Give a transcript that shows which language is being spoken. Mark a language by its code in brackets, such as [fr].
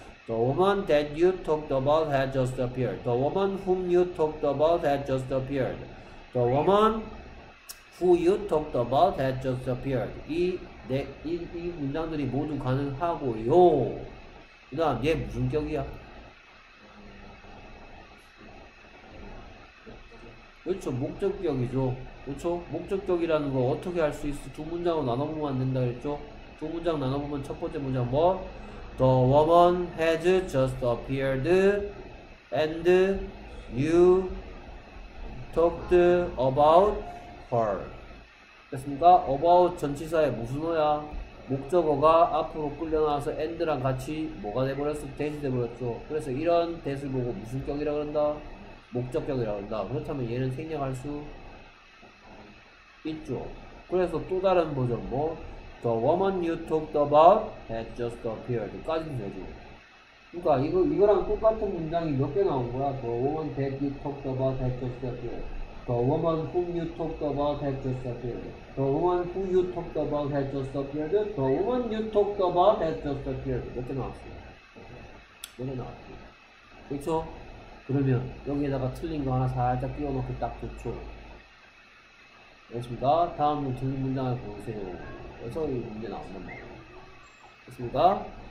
[en] The woman that you talked about had just appeared. The woman whom you talked about had just appeared. The woman who you talked about had just appeared. [ko] 이 문장들이 모두 가능하고요. 그 다음, 얘 무슨 격이야? 그렇죠. 목적격이죠. 그렇죠. 목적격이라는 거 어떻게 할수 있어? 두 문장으로 나눠보면 안 된다 그랬죠? 두 문장 나눠보면 첫 번째 문장 뭐? [en] The woman has just appeared and you talked about her. [ko] 됐습니까? About 전치사의 무슨어야? 목적어가 앞으로 끌려나와서 and랑 같이 뭐가 돼버렸어? that이 돼버렸죠. 그래서 이런 that을 보고 무슨 격이라 그런다? 목적격이라 그런다. 그렇다면 얘는 생략할 수 있죠. 그래서 또 다른 버전 뭐? [en] The woman you talked about had just appeared. [ko] 까지도 되죠. 그러니까 이거랑 똑같은 문장이 몇개 나온 거야? [en] The woman that you talked about had just appeared. The woman whom you talked about had just appeared. The woman who you talked about had just appeared. The woman you talked about had just appeared. [ko] 몇개 나왔어? 몇개 나왔어? 그렇죠? 그러면 여기에다가 틀린 거 하나 살짝 띄워놓기 딱 좋죠. 알겠습니다. 다음은 틀린 문장을 보세요. 그래서 이 문제 나온단 말이에요. 알겠습니다.